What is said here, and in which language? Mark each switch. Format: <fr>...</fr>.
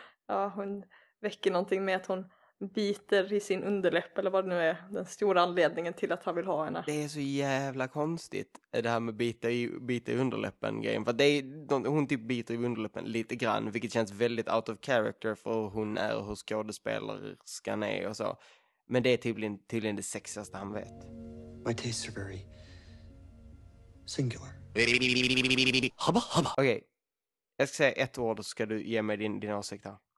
<sv>Ja, hon väcker någonting med att hon biter i sin underläpp eller vad det nu är, den stora anledningen till att han vill ha henne. Det är så jävla konstigt det här med bita i underläppen grejen, för hon typ biter i underläppen lite grann, vilket känns väldigt</sv> <en>out of character</en> <sv>för hon är och hur skådespelerskan är och så, men det är tydligen det sexigaste han vet.</sv> <en>My tastes are very singular. Hubba, hubba.</en> <sv>Okej, jag ska säga ett ord så ska du ge mig din åsikt här.</sv>